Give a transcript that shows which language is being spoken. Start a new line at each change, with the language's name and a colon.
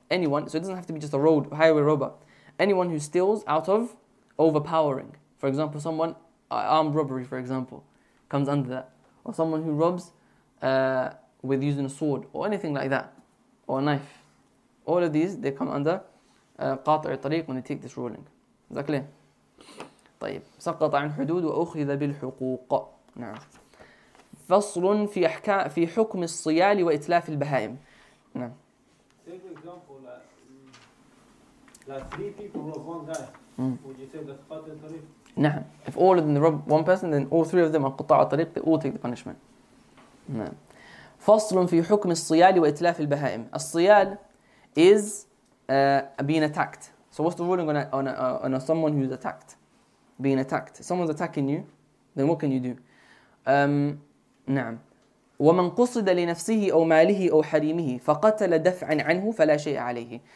English: Anyone, so it doesn't have to be just a road, highway robber. Anyone who steals out of overpowering. For example, someone, armed robbery, for example, comes under that. Or someone who robs with using a sword, or anything like that, or a knife. All of these, they come under qata' al-tariq when they take this ruling. Is that clear?
Arabic: سقط عن حدود وأخذ بالحقوق. نعم. فصل في أحكام في حكم الصيال وإتلاف البهائم. نعم.
English: Say for example, like three people rob one guy. Would you say that's قطع الطريق? نعم. If all of them rob one person, then all three of them are قطع الطريق. They all take the punishment.
Arabic: نعم. فصل في حكم الصيال وإتلاف البهائم.
English: الصيال is being attacked. So what's the ruling on someone who's attacked? Being attacked. Someone's attacking you, then what can you do?
Arabic: نعم. وَمَنْ قُصِدَ لِنَفْسِهِ أَوْ مَالِهِ أَوْ حَرِيمِهِ فَقَتَلَ دَفْعًا عَنْهُ فَلَا شَيْءَ عَلَيْهِ.